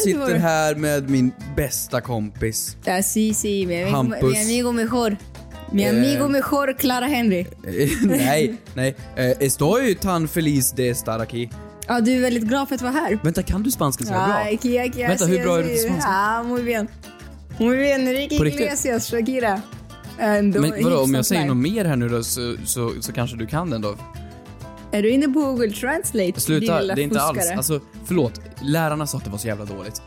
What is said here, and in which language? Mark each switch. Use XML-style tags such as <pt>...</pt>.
<sv>sitter här med min bästa kompis. Ja, sí, Hampus.</sv> <es>Mi amigo mejor, Clara Henry.</es> <sv>Nej.</sv> <es>Estoy tan feliz de estar aquí.</es> <sv>Ja, du är väldigt glad för att vara här. Vänta, kan du spanska så bra? Ja, vänta, hur bra är du på spanska?</sv> <es>Ja, muy bien. Muy bien, Enrique Iglesias, Shakira.</es> <sv>Men vadå, om jag säger något mer här nu då, så kanske du kan den då? Är du inne på Google Translate? Sluta, det är inte fuskare. Alls. Alltså, förlåt, lärarna sa att det var så jävla dåligt.</sv>